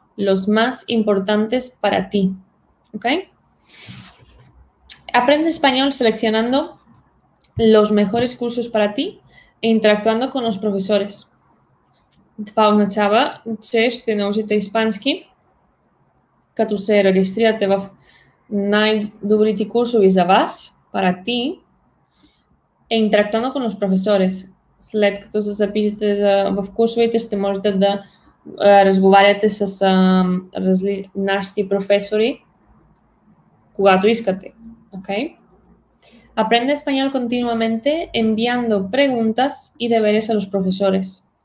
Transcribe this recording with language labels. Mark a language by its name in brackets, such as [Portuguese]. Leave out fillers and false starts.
[Spanish] Los más importantes para ti, ¿okay? Aprende español seleccionando los mejores cursos para ti e interactuando con los profesores. [Bulgarian] Това означава, че ще научите испански, като се регистрирате в най-добрите курсови за вас, [Spanish] para ti, e interactuando con los profesores. [Bulgarian] След като се запишете в курсовете, ще можете да разговаряте с нашите професори, когато искате. [English] Okay? [Spanish] Aprende español continuamente enviando preguntas y deberes a los profesores.